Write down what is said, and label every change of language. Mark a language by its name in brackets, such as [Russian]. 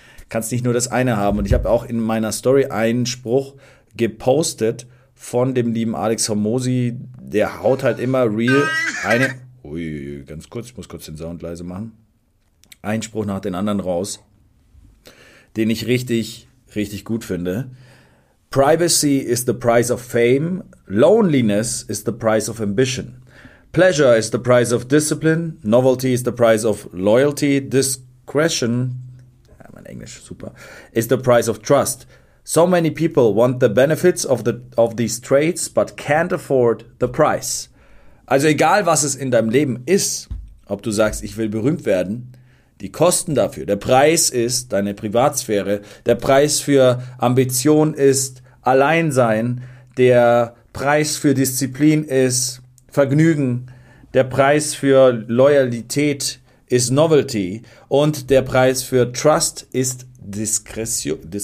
[German] Kannst nicht nur das eine haben und ich habe auch in meiner Story einen Spruch gepostet, von dem lieben Alex Hormozi, der haut halt immer real eine... Ui, ganz kurz, ich muss kurz den Sound leise machen. Ein Spruch nach den anderen raus, den ich richtig, richtig gut finde. [English] Privacy is the price of fame. Loneliness is the price of ambition. Pleasure is the price of discipline. Novelty is the price of loyalty. Discretion, [German] ja, mein Englisch, super, [English] is the price of trust. So many people want the benefits of these traits, but can't afford the price. [German] Also egal, was es in deinem Leben ist, ob du sagst, ich will berühmt werden, die Kosten dafür, der Preis ist deine Privatsphäre, der Preis für Ambition ist Alleinsein, der Preis für Disziplin ist Vergnügen, der Preis für Loyalität ist Novelty und der Preis für Trust ist Diskretion,